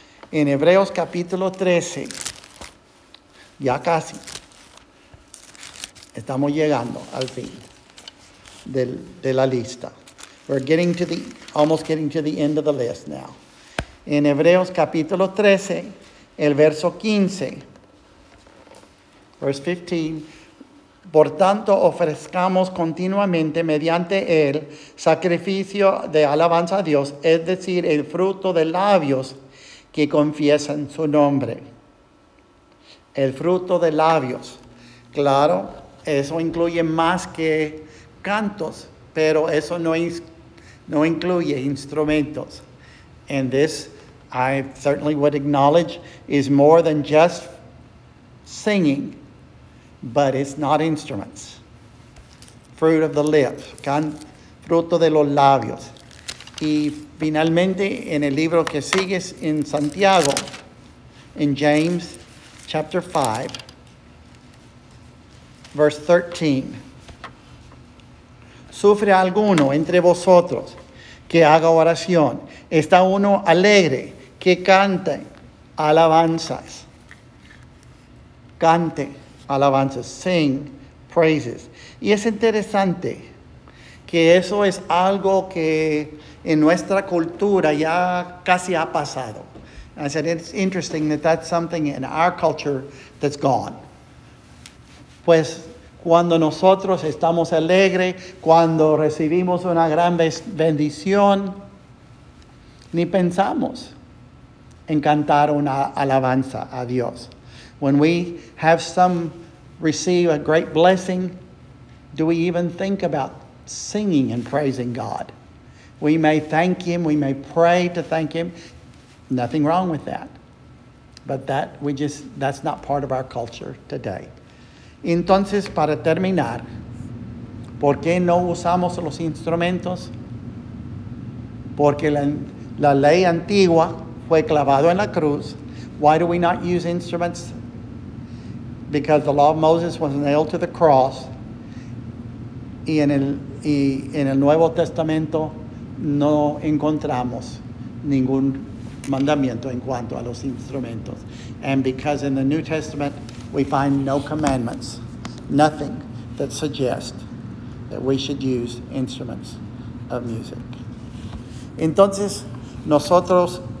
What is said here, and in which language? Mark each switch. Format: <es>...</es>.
<es>En Hebreos capítulo 13, ya casi, estamos llegando al fin de la lista.</es> <en>We're getting to the, almost getting to the end of the list now.</en> <es>En Hebreos capítulo 13, el verso 15,</es> <en>verse 15,</en> <es>por tanto, ofrezcamos continuamente mediante él sacrificio de alabanza a Dios, es decir, el fruto de labios que confiesan su nombre. El fruto de labios. Claro, eso incluye más que cantos, pero eso no incluye instrumentos.</es> <en>And this, I certainly would acknowledge, is more than just singing. But it's not instruments. Fruit of the lips.</en> <es>Fruto de los labios. Y finalmente, en el libro que sigue en Santiago,</es> <en>in James chapter 5, verse 13.</en> <es>Sufre alguno entre vosotros que haga oración. Está uno alegre que cante alabanzas. Cante.</es> <en>Alabanzas, sing praises.</en> <es>Y es interesante que eso es algo que en nuestra cultura ya casi ha pasado.</es> <en>I said it's interesting that that's something in our culture that's gone.</en> <es>Pues cuando nosotros estamos alegres, cuando recibimos una gran bendición, ni pensamos en cantar una alabanza a Dios.</es> <en>When we have some receive a great blessing, do we even think about singing and praising God? We may thank Him, we may pray to thank Him. Nothing wrong with that. But that's not part of our culture today.</en> <es>Entonces, para terminar, ¿por qué no usamos los instrumentos? Porque la ley antigua fue clavado en la cruz.</es> <en>Why do we not use instruments? Because the law of Moses was nailed to the cross.</en> <es>Y en el Nuevo Testamento no encontramos ningún mandamiento en cuanto a los instrumentos.</es> <en>And because in the New Testament we find no commandments, nothing that suggests that we should use instruments of music.</en> <es>Entonces, nosotros</es>